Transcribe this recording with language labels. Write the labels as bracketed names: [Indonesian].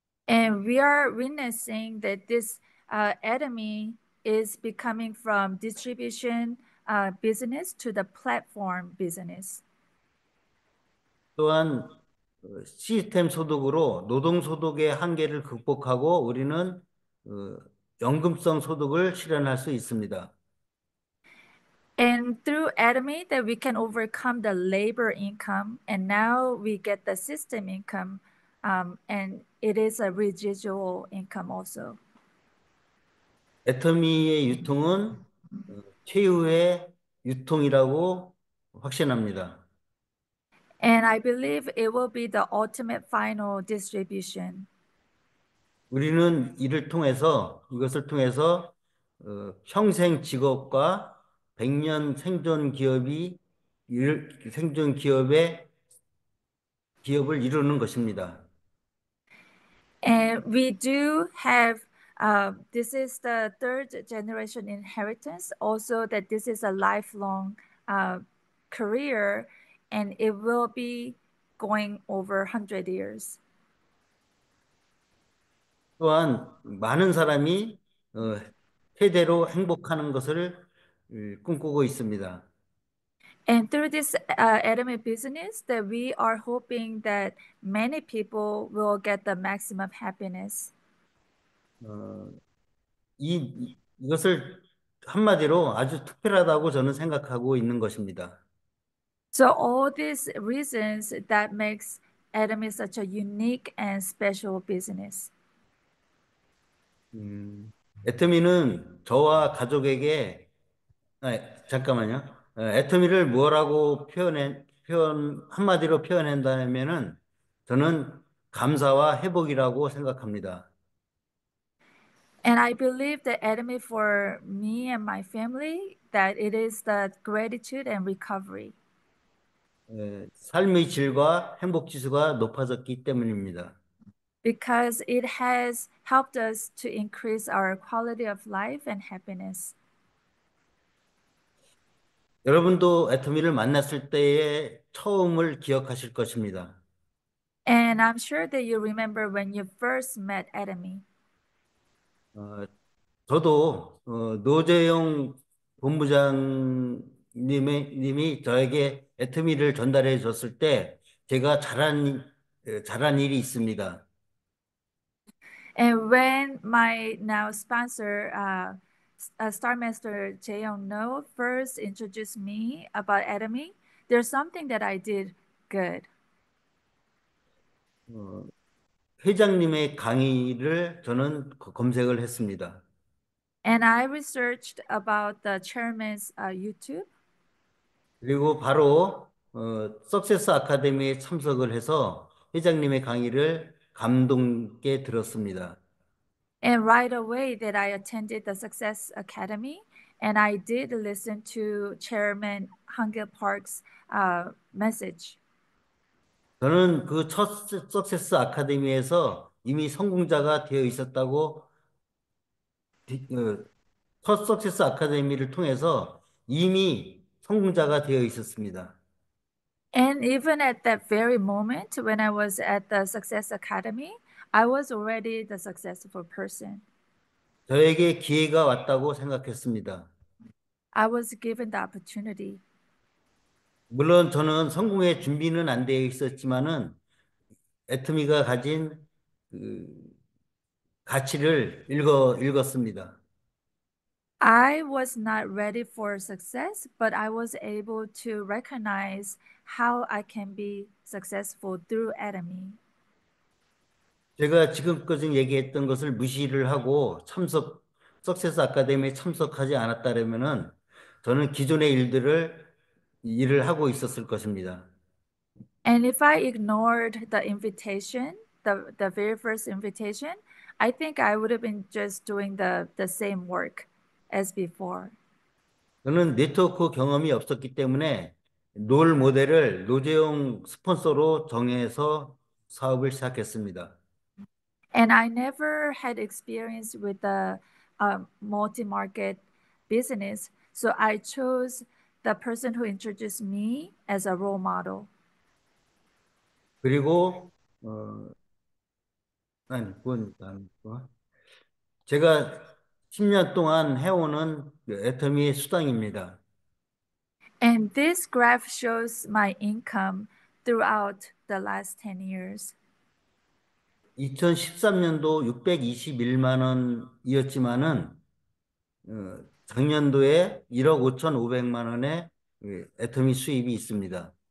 [English] And we are witnessing that this Atomy is becoming from distribution business to the platform business. [Korean] 또한 시스템 소득으로 노동 소득의 한계를 극복하고 우리는 연금성 소득을 실현할 수 있습니다. [English] And through Atomy that we can overcome the labor income, and now we get the system income, and it is a residual income also. [Korean] 애터미의 유통은 최후의 유통이라고 확신합니다. [English] And I believe it will be the ultimate final distribution. [Korean] 우리는 이것을 통해서 평생 직업과 100년 생존 기업을 이루는 것입니다. [English] And we do have, this is the third generation inheritance, also that this is a lifelong career, and it will be going over 100 years. [Korean] 또한 많은 사람이 최대로 행복하는 것을 꿈꾸고 있습니다. [English] And through this Atomy business, that we are hoping that many people will get the maximum happiness. [Korean] 이것을 한마디로 아주 특별하다고 저는 생각하고 있는 것입니다. [English] So all these reasons that makes Atomy such a unique and special business. [Korean] 애터미는 저와 가족에게, 잠깐만요. 애터미를 뭐라고 한마디로 표현한다면은 저는 감사와 회복이라고 생각합니다. [English] And I believe the enemy for me and my family, that it is the gratitude and recovery. [Korean] 삶의 질과 행복 지수가 높아졌기 때문입니다. [English] Because it has helped us to increase our quality of life and happiness. [Korean] 여러분도 애터미를 만났을 때의 처음을 기억하실 것입니다. [English] And I'm sure that you remember when you first met enemy. [Korean] 저도 노재용 본부장님이 저에게 애터미를 전달해 줬을 때 제가 잘한 일이 있습니다. [English] And when my now sponsor, Star Master Jaehyung No first introduced me about Atomy, there's something that I did good. [Korean] 회장님의 강의를 저는 검색을 했습니다. [English] And I researched about the chairman's YouTube. [Korean] 그리고 바로 석세스 아카데미에 참석을 해서 회장님의 강의를 감동께 들었습니다. [English] And right away that I attended the Success Academy, and I did listen to Chairman Hangil Park's message. [Korean] 저는 그첫 석세스 아카데미에서 이미 성공자가 되어 있었다고 첫 석세스 아카데미를 통해서 이미 성공자가 되어 있었습니다. [English] And even at that very moment, when I was at the Success Academy, I was already the successful person. [Korean] 저에게 기회가 왔다고 생각했습니다. [English] I was given the opportunity. [Korean] 물론 저는 성공의 준비는 안 되어 있었지만은 애터미가 가진 가치를 읽었습니다. [English] I was not ready for success, but I was able to recognize how I can be successful through Atomy. [Korean] 제가 지금까지 얘기했던 것을 무시를 하고 석세스 아카데미에 참석하지 않았다면은 저는 기존의 일을 하고 있었을 것입니다. [English] And if I ignored the invitation, the very first invitation, I think I would have been just doing the same work. As before. [Korean] 저는 네트워크 경험이 없었기 때문에 롤 모델을 노재용 스폰서로 정해서 사업을 시작했습니다. [English] And I never had experience with the multi-market business, so I chose the person who introduced me as a role model. [Korean] 그리고 아니 뭔 제가 10년 동안 해오는 애터미의 수당입니다. [English] And this graph shows my income throughout the last 10 years. [Korean] 2013년도 621만 원이었지만은 작년도에 1억 5,500만 원의 애터미 수입이 있습니다.